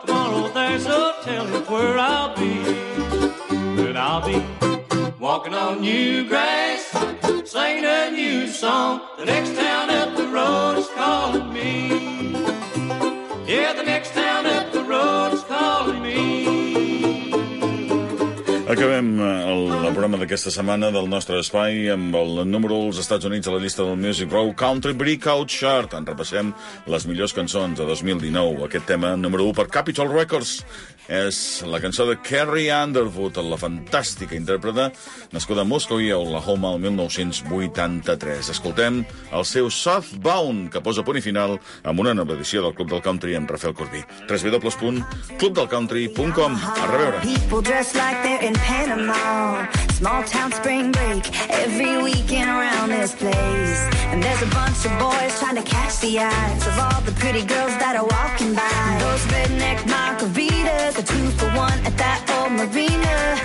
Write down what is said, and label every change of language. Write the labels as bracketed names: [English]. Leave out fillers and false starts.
[English] Tomorrow there's a telling where I'll be. But I'll be walking on new grass, singing a new song. The next town up the road is calling me. Yeah, the next town up the road is calling me. [Catalan] Acabem el programa d'aquesta setmana del nostre espai amb el número 1 als Estats Units a la llista del Music Row Country Breakout Chart. En repassem les millors cançons de 2019. Aquest tema número 1 per Capitol Records és la cançó de Carrie Underwood, la fantàstica intèrpreta nascuda a Moscow i a Oklahoma el 1983. Escoltem el seu Southbound, que posa punt i final amb una nova edició del Club del Country amb Rafael Corbí. www.clubdelcountry.com. A reveure. [English] In Panama, small town spring break, every weekend around this place. And there's a bunch of boys trying to catch the eyes of all the pretty girls that are walking by. Those redneck margaritas, a 2-for-1 at that old marina.